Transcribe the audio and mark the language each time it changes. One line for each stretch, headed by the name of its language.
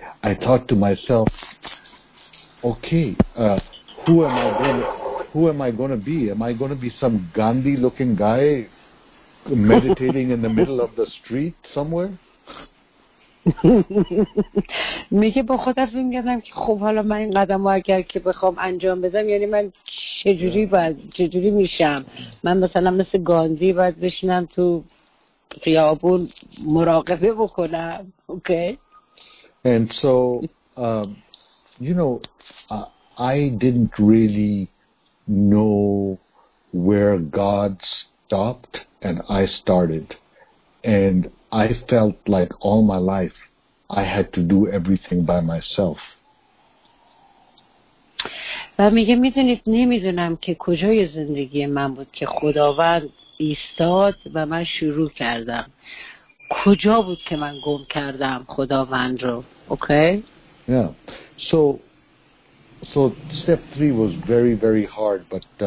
English: I thought to myself, okay, who am I going to be? Am I going to be some Gandhi looking guy meditating in the middle of the street somewhere?
Persian: میگه با خودم فکر کردم که خب حالا من این قدمو اگر که بخوام انجام بدم یعنی من چجوری باید چجوری میشم من مثلا مثل گاندی باید بشینم تو خیابون مراقبه بکنم okay
English: and so you know I didn't really know where God stopped and I started and I felt like all my life I had to do everything by myself.
Persian: و میگه میدونید نمیدونم که کجای زندگی من بود که خداوند ایستاد و من شروع کردم کجا بود که من گم کردم خداوند رو اوکی
English: okay? yeah so step 3 was very very hard but